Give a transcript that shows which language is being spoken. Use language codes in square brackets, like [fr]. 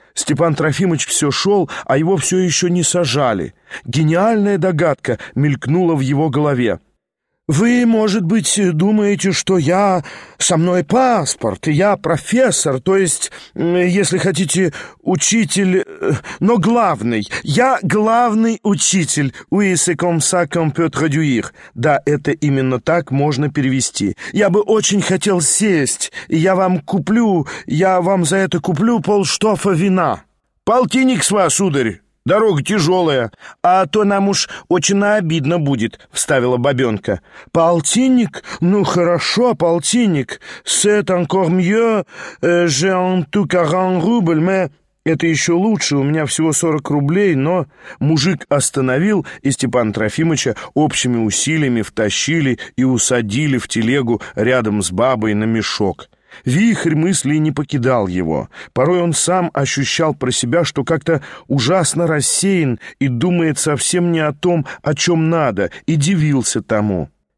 [ru] Степан Трофимович все шел, а его все еще не сажали. Гениальная догадка мелькнула в его голове. «Вы, может быть, думаете, что я... со мной паспорт, и я профессор, то есть, если хотите, учитель... но главный. Я главный учитель. [fr] Oui, c'est comme ça qu'on peut traduire». [ru] Да, это именно так можно перевести. «Я бы очень хотел сесть, и я вам куплю... я вам за это куплю полштофа вина». «Полтинник с вас, сударь. Дорога тяжелая». «А то нам уж очень обидно будет», — вставила бабенка. «Полтинник? Ну хорошо, полтинник. [fr] C'est encore mieux. J'ai en tout 40 рубль, mais...» [ru] «Это еще лучше, у меня всего 40 рублей, но...» Мужик остановил, и Степана Трофимовича общими усилиями втащили и усадили в телегу рядом с бабой на мешок. Вихрь мыслей не покидал его. Порой он сам ощущал про себя, что как-то ужасно рассеян и думает совсем не о том, о чем надо, и дивился тому.